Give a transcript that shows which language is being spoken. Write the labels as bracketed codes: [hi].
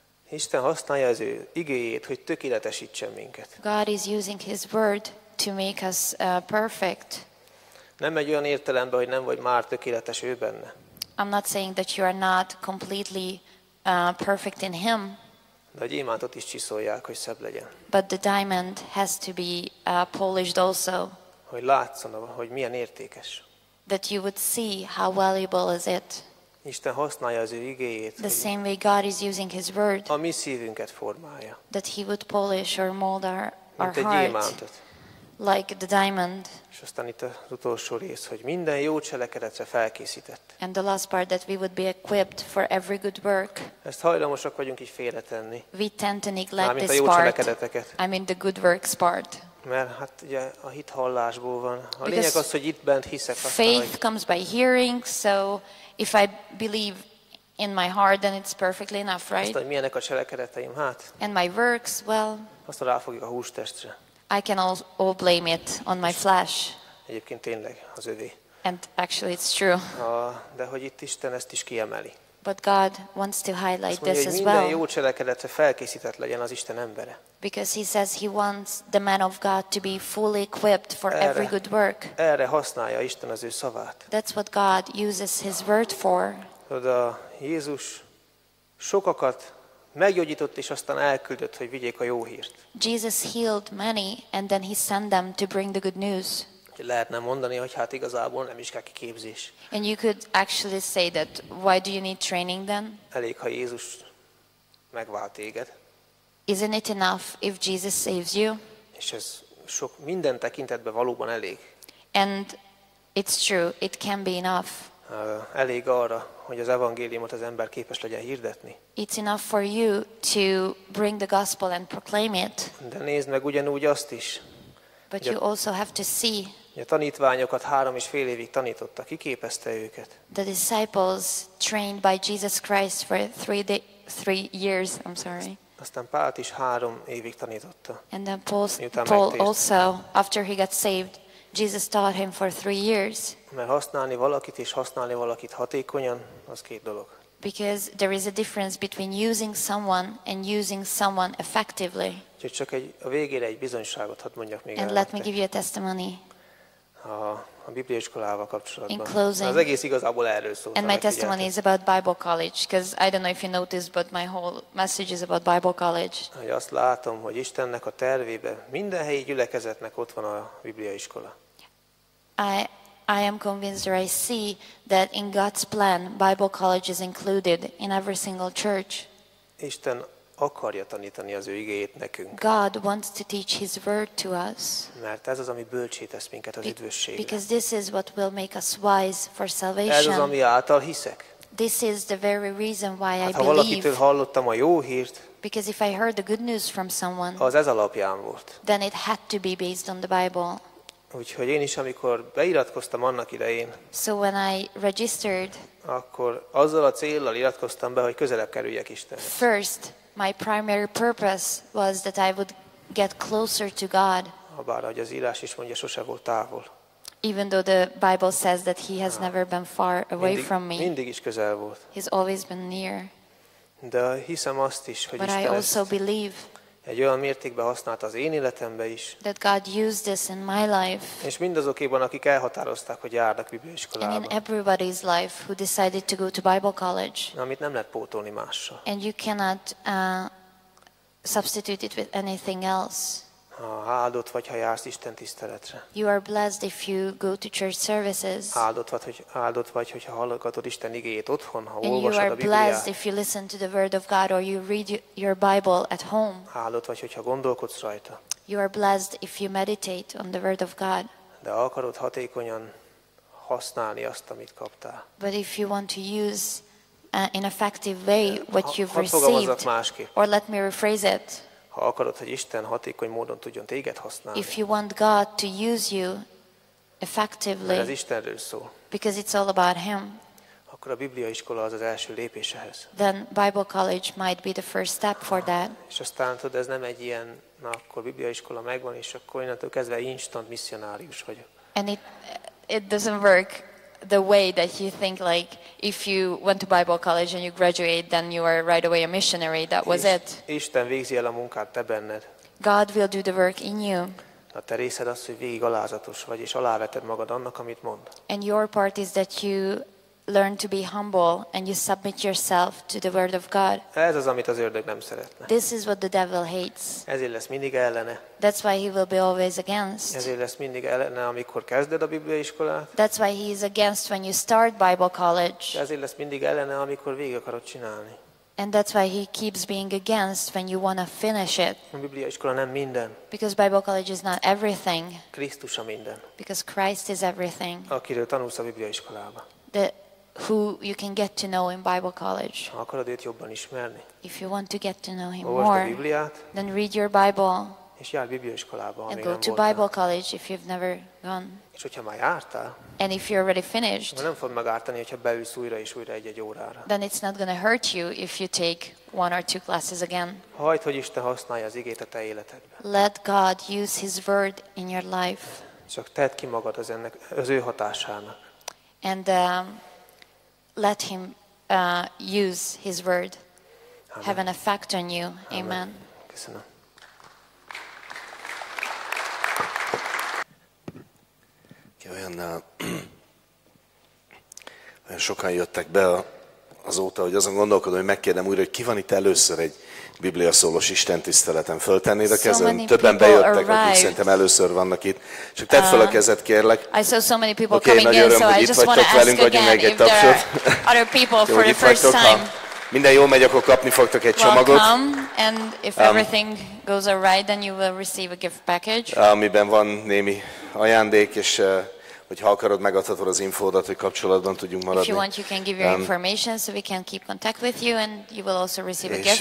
[hu] Isten használja az ő igéjét, hogy tökéletesítsen minket. [en] God is using his word to make us perfect. [hu] Nem egy olyan értelemben, hogy nem vagy már tökéletes ő benne. [en] I'm not saying that you are not completely perfect in him. [hu] De a gyémántot is csiszolják, hogy szebb legyen. [en] But the diamond has to be polished also. [hu] Hogy látszon, hogy milyen értékes. [en] That you would see how valuable is it. [hu] Isten használja az ő igéjét. [en] The same way God is using his word. [hu] A mi szívünket formálja. [en] That he would polish or mold our heart. [hu] Mint egy gyémántot. [en] Like the diamond. [hu] És aztán itt az utolsó rész, hogy minden jó cselekedetre felkészített. [en] And the last part that we would be equipped for every good work. [hu] Ezt hajlamosak vagyunk így félretenni. [en] We tend to neglect this [hu] Mármint a jó cselekedeteket. [en] I mean the good works part. [hu] Mert hát ugye a hit hallásból van. A Because lényeg az, hogy itt bent hiszek. [en] Aztán, faith comes by hearing, so if I believe in my heart, then it's perfectly enough, right? [hu] Aztán, hogy milyenek a cselekedeteim, hát. [en] And my works, well. [hu] Aztán ráfogjuk a hústestre. [en] I can all blame it on my flesh. [hu] Egyébként tényleg az övé. [en] And actually it's true. [hu] De hogy itt Isten ezt is kiemeli. [en] But God wants to highlight [hu] mondja, [en] this as well. [hu] Minden jó cselekedetre felkészített legyen az Isten embere. [en] Because he says he wants the man of God to be fully equipped for [hu] erre, [en] every good work. [hu] Erre használja Isten az ő szavát. [en] That's what God uses his word for. [hu] De Jézus sokakat meggyógyított és aztán elküldött, hogy vigyék a jó hírt. [en] Jesus healed many and then he sent them to bring the good news. [hu] Lehetne mondani, hogy hát igazából nem is kell kiképzés. [en] And you could actually say that why do you need training then? [hu] Elég, ha Jézus megvált téged. [en] Isn't it enough if Jesus saves you? [hu] És ez sok minden tekintetben valóban elég. [en] And it's true, it can be enough. [hu] Elég arra, hogy az evangéliumot az ember képes legyen hirdetni. [en] It's enough for you to bring the gospel and proclaim it. [hu] De nézd meg ugyanúgy azt is. [en] But you also have to see. [hu] A tanítványokat 3,5 évig tanította, kiképezte őket. [en] The disciples trained by Jesus Christ for three years. I'm sorry. [hu] Aztán Pált is 3 évig tanította. [en] And then Paul also, after he got saved, Jesus taught him for 3 years. [hu] Mert használni valakit és használni valakit hatékonyan, az két dolog. [en] Because there is a difference between using someone and using someone effectively. [hu] Úgyhogy csak a végére egy bizonyságot hadd mondjak még. [en] And [hu] el [en] let me give you a testimony. [hu] A bibliaiskolával kapcsolatban. [en] In closing. [hu] Az egész igazából erről szólt. [en] And my testimony is about Bible college, because I don't know if you noticed, but my whole message is about Bible college. [hu] Hogy azt látom, hogy Istennek a tervében minden helyi gyülekezetnek ott van a bibliaiskola. [en] I am convinced or I see that in God's plan, Bible college is included in every single church. [hu] Isten akarja tanítani az ő igéjét nekünk. [en] God wants to teach his word to us. [hu] Mert ez az, ami bölcsé tesz minket az üdvösségre. [en] Because this is what will make us wise for salvation. [hu] Ez az, ami által hiszek. [en] This is the very reason why I believe. [hu] Ha valakitől hallottam a jó hírt, [en] because if I heard the good news from someone, [hu] az ez alapján volt. [en] Then it had to be based on the Bible. [hu] Úgyhogy én is, amikor beiratkoztam annak idején, [en] so when I registered, [hu] akkor azzal a céllal iratkoztam be, hogy közelebb kerüljek Istenhez. [en] First, my primary purpose was that I would get closer to God. [hu] Habár, ahogy az írás is mondja, sose volt távol. [en] Even though the Bible says that he has never been far away from me. [hu] Mindig is közel volt. [en] He's always been near. [hu] De hiszem azt is, hogy [en] But [hu] Isten [en] I also believe [hu] egy olyan mértékben használt az én életembe is. [en] That God used this in my life. [hu] És mindazokéban, akik elhatározták, hogy járnak bibliaiskolába. [en] And in everybody's life who decided to go to Bible college. [hu] Amit nem lehet pótolni mással. [en] And you cannot substitute it with anything else. [hu] Áldott vagy, ha jársz Isten tiszteletre. [en] You are blessed if you go to church services. [hu] Áldott vagy, hogyha hallgatod Isten igéjét otthon, ha [en] And [hu] olvasod a Bibliát. [en] You are blessed if you listen to the word of God or you read your Bible at home. [hu] Áldott vagy, hogyha gondolkodsz rajta. [en] You are blessed if you meditate on the word of God. [hu] De akarod hatékonyan használni azt, amit kaptál. [en] But if you want to use in effective way what you've received. [hu] Másképp. [en] Or let me rephrase it. [hu] Ha akarod, hogy Isten hatékony módon tudjon téged használni. [en] If you want God to use you effectively. [hu] Ez Istenről szól. [en] Because it's all about him. [hu] Akkor a bibliaiskola az első lépés ehhez. [en] Then Bible college might be the first step for that. [hu] És aztán tudod, ez nem egy ilyen, na akkor bibliaiskola megvan, és akkor innentől kezdve instant misszionárius vagyok. [en] And it doesn't work the way that you think, like if you went to Bible college and you graduate, then you are right away a missionary. That was it. [hu] Isten végzi el a munkát te benned. [en] God will do the work in you. [hu] A te részed az, hogy végig alázatos vagy, és aláveted magad annak, amit mond. [en] And your part is that you learn to be humble and you submit yourself to the word of God. [hu] Ez az, amit az ördög nem szeretne. [en] This is what the devil hates. [hu] Ezért lesz mindig ellene. [en] That's why he will be always against. [hu] Ezért lesz mindig ellene, amikor kezded a bibliaiskolát. [en] That's why he is against when you start Bible college. [hu] Ezért lesz mindig ellene, amikor végig akarod csinálni. [en] And that's why he keeps being against when you want to finish it. [hu] A bibliaiskola nem minden. [en] Because Bible college is not everything. [hu] Krisztus a minden. [en] Because Christ is everything. [hu] Akiről tanulsz a bibliaiskolába. [en] Who you can get to know in Bible college. [hu] Ha akarod őt jobban ismerni. [en] If you want to get to know him [hu] olvasd [en] more. [hu] A Bibliát, [en] then read your Bible. [hu] És jár bibliaiskolába, [en] and go to Bible college if you've never gone. [hu] És hogyha már jártál. [en] And if you're already finished. [hu] Nem fog megártani, hogyha beülsz újra és újra egy-egy órára. [en] Then it's not going to hurt you if you take one or two classes again. [hu] Hagyd, hogy Isten használja az igét a te életedben. [en] Let God use his word in your life. [hu] Csak tedd ki magad az ennek az ő hatásának. [en] And let him use his word. [hu] Amen. [en] Have an effect on you. Amen. [hu] Köszönöm. Olyan sokan jöttek be azóta, hogy azon gondolkodom, hogy megkérdem újra, hogy ki van itt először egy Biblia szólós istentiszteleten. Föltennéd a kezed? Többen bejöttek, akik szerintem először vannak itt. Csak tedd fel a kezed, kérlek. [en] I saw so many people okay, coming [hu] öröm, [en] in, so I just want to ask [hu] velünk, [en] again if there are other people for the first time. [hu] Ha minden jól megy, akkor kapni fogtok egy csomagot. [en] Welcome, and if everything goes all right, then you will receive a gift package. [hu] Amiben van némi ajándék, és hogy ha akarod, megadhatod az infódat, hogy kapcsolatban tudjunk maradni. [en] If you want, you can give your information so we can keep contact with you, and you will also receive a gift.